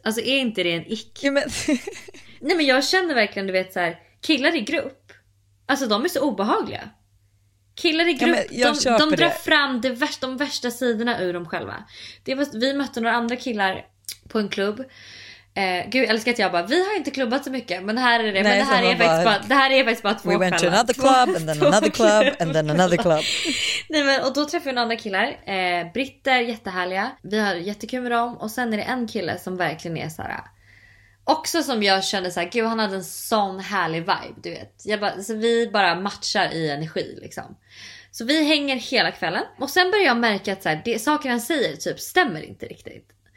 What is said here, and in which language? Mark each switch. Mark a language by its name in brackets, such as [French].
[Swedish] Alltså är inte det en ick? Nej men jag känner verkligen, du vet så här, killar i grupp, alltså de är så obehagliga. Killar i grupp, ja, de drar fram de värsta sidorna ur dem själva. Vi mötte några andra killar på en klubb. Gud, jag älskar att jag bara, vi har inte klubbat så mycket, men här är det. Nej, men det här är faktiskt bara, det här är faktiskt bara två kvällar. [English] We went to another club and then another club and then another club. [Swedish] Nej, men och då träffar jag några andra killar, britter, jättehärliga. Vi har jättekul med dem, och sen är det en kille som verkligen är så här också, som jag kände så här, gud, han hade en sån härlig vibe, du vet. Jag bara, så vi bara matchar i energi liksom. Så vi hänger hela kvällen, och sen börjar jag märka att så här, det saker han säger typ stämmer inte riktigt.